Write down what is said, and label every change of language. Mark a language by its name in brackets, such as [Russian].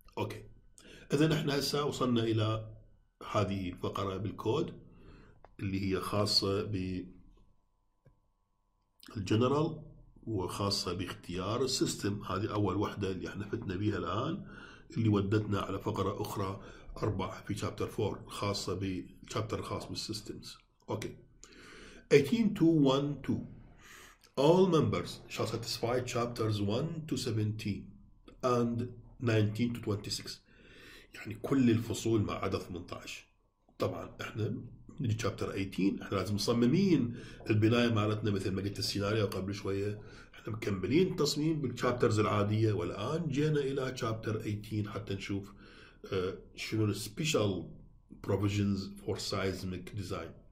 [Arabic] اوكي اذا احنا هسه وصلنا الى هذه الفقره بالكود اللي هي خاصه ب الجنرال وخاصه باختيار السيستم. هذه اول وحده اللي احنا فتنا بها الان اللي ودتنا على فقره اخرى 4 في chapter 4 خاصه بالشابتر الخاص بالسيستمز. [English] okay 18212 all members shall satisfy chapters 1 to 17 and 19 to 26 [Arabic] يعني كل الفصول ما عدا 18. طبعا احنا نجي chapter 18 احنا لازم مصممين البنايه مالتنا مثل ما قلت السيناريو قبل شويه، احنا مكملين التصميم بالشابترز العاديه، والان جينا الى chapter 18 حتى نشوف شنو [English] special provisions for seismic design.